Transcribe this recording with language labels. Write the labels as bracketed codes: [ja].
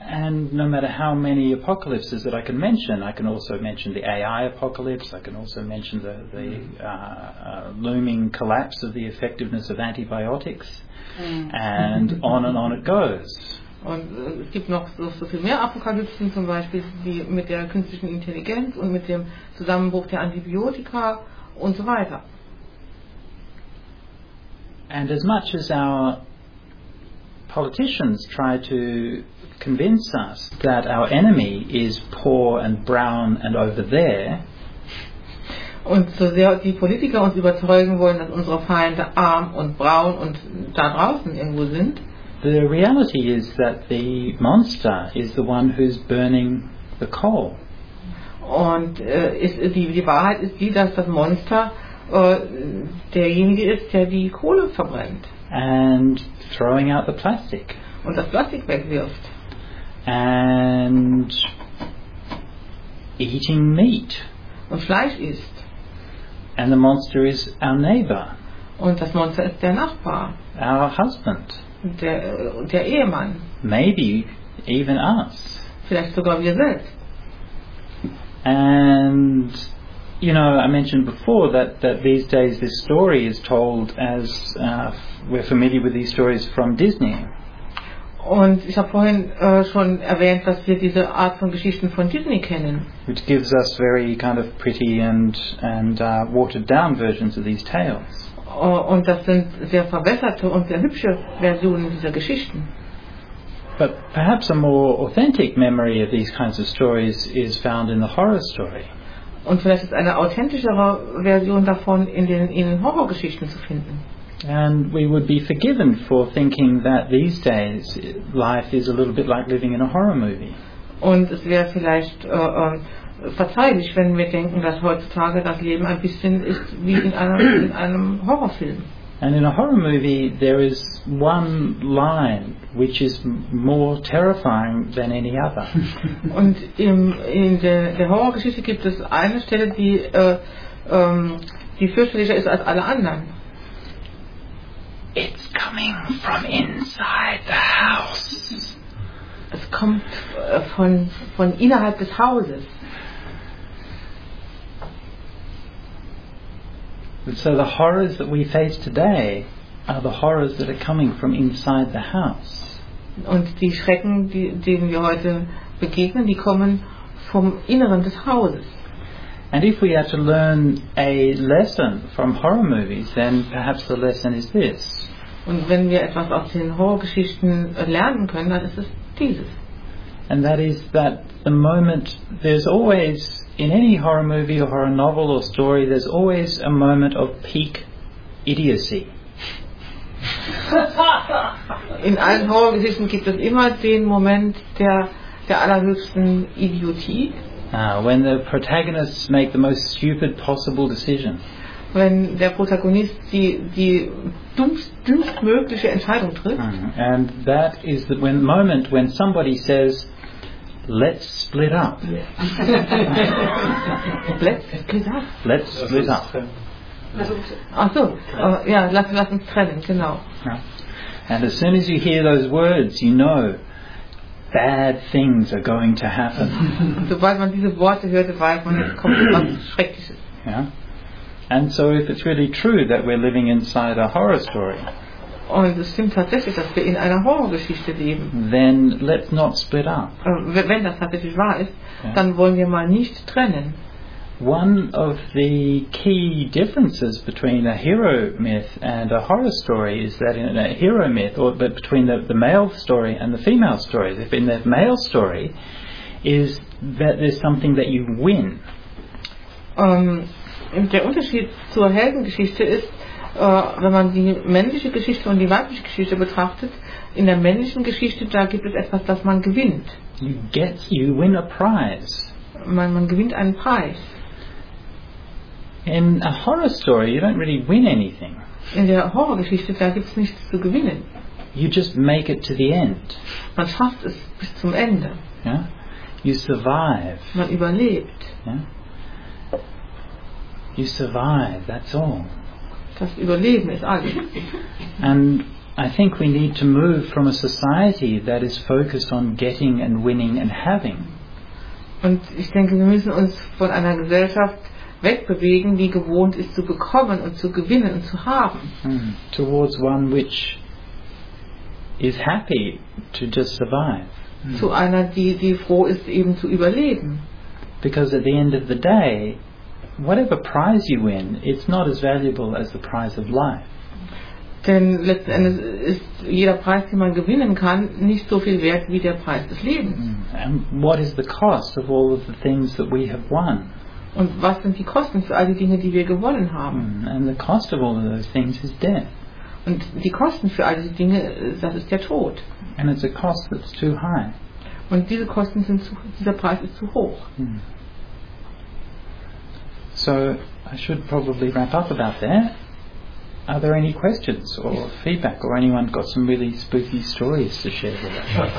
[en] And no matter how many apocalypses that I can mention, I can also mention the AI apocalypse, I can also mention the looming collapse of the effectiveness of antibiotics, and on and on it goes. [de] Und es gibt noch so viel mehr Apokalypsen, zum Beispiel wie mit der künstlichen Intelligenz und mit dem Zusammenbruch der Antibiotika und so weiter. [en] And as much as our politicians try to convince us that our enemy is poor and brown and over there, [de] und so sehr die Politiker uns überzeugen wollen, dass unsere Feinde arm und braun und da draußen irgendwo sind, [en] the reality is that the monster is the one who's burning the coal. [de] Und die Wahrheit ist die, dass das Monster derjenige ist, der die Kohle verbrennt. [en] And throwing out the plastic. [de] Und das Plastik wegwirft. [en] And eating meat. [de] Und Fleisch isst. [en] And the monster is our neighbor. [de] Und das Monster ist der Nachbar. [en] Our husband. [de] Der Ehemann. [en] Maybe even us. [de] Vielleicht sogar wir selbst. [en] And you know, I mentioned before that these days this story is told as we're familiar with these stories from Disney. [de] Und ich habe vorhin schon erwähnt, dass wir diese Art von Geschichten von Disney kennen. [en] Which gives us very kind of pretty and watered down versions of these tales. [de] Und das sind sehr verbesserte und sehr hübsche Versionen dieser Geschichten. [en] But perhaps a more authentic memory of these kinds of stories is found in the horror story. [de] Und vielleicht ist eine authentischere Version davon in den Horrorgeschichten zu finden. [en] And we would be forgiven for thinking that these days life is a little bit like living in a horror movie. [de] Und es wäre vielleicht verzeihlich, wenn wir denken, dass heutzutage das Leben ein bisschen ist wie in einem Horrorfilm. [en] And in a horror movie there is one line which is more terrifying than any other. [de] Und in der Horrorgeschichte gibt es eine Stelle, die fürchterlicher ist als alle anderen. [en] It's coming from inside the house. [de] Es kommt von innerhalb des Hauses. [en] So the horrors that we face today are the horrors that are coming from inside the house. [de] Und die Schrecken, denen wir heute begegnen, die kommen vom Inneren des Hauses. [en] And if we are to learn a lesson from horror movies, then perhaps the lesson is this. [de] Und wenn wir etwas aus den Horrorgeschichten lernen können, dann ist es dieses. [en] And that is that the moment there's always in any horror movie or horror novel or story, there's always a moment of peak idiocy. [de] In allen Horrorgeschichten gibt es immer den Moment der allerhöchsten Idiotie. [en] When the protagonists make the most stupid possible decision. [de] Wenn der Protagonist die dümmstmögliche Entscheidung trifft. [en] And that is the moment when somebody says, let's split up. Let's split up. Let's split up. [de] Ach so, ja, lass uns trennen, genau. [en] And as soon as you hear those words, you know bad things are going to happen. [de] Sobald man diese Worte hört, weiß man, es kommt etwas Schreckliches. [en] Yeah. And so if it's really true that we're living inside a horror story, [de] und es stimmt tatsächlich, dass wir in einer Horrorgeschichte leben, [en] then let's not split up. [de] Wenn das tatsächlich wahr ist, dann wollen wir mal nicht trennen. [en] one of the key differences between a hero myth and a horror story is that in a hero myth, or but between the male story and the female story, in the male story, is that there's something that you win. [de] Der Unterschied zur Heldengeschichte ist, wenn man die männliche Geschichte und die weibliche Geschichte betrachtet, in der männlichen Geschichte, da gibt es etwas, das man gewinnt. [en] You win a prize. [de] Man gewinnt einen Preis. [en] In a horror story, you don't really win anything. [de] In der Horrorgeschichte, da gibt es nichts zu gewinnen. [en] You just make it to the end. [de] Man schafft es bis zum Ende. [en] Yeah? You survive. [de] Man überlebt. [en] Yeah? You survive, that's all. [de] Das Überleben ist alles. [en] And I think we need to move from a society that is focused on getting and winning and having. [de] Und ich denke, wir müssen uns von einer Gesellschaft wegbewegen, die gewohnt ist zu bekommen und zu gewinnen und zu haben. [en] Towards one which is happy to just survive. [de] Zu einer, die froh ist, eben zu überleben. [en] Because at the end of the day, whatever prize you win, it's not as valuable as the prize of life. [de] Denn letzten Endes ist jeder Preis, den man gewinnen kann, nicht so viel wert wie der Preis des Lebens. [en] And what is the cost of all of the things that we have won? [de] Und was sind die Kosten für all die Dinge, die wir gewonnen haben? [en] And the cost of all of those things is death. [de] Und die Kosten für all diese Dinge, das ist der Tod. [en] And it's a cost that's too high. [de] Und diese Kosten sind dieser Preis ist zu hoch. [en] So I should probably wrap up about that. Are there any questions or feedback, or anyone got some really spooky stories to share with us?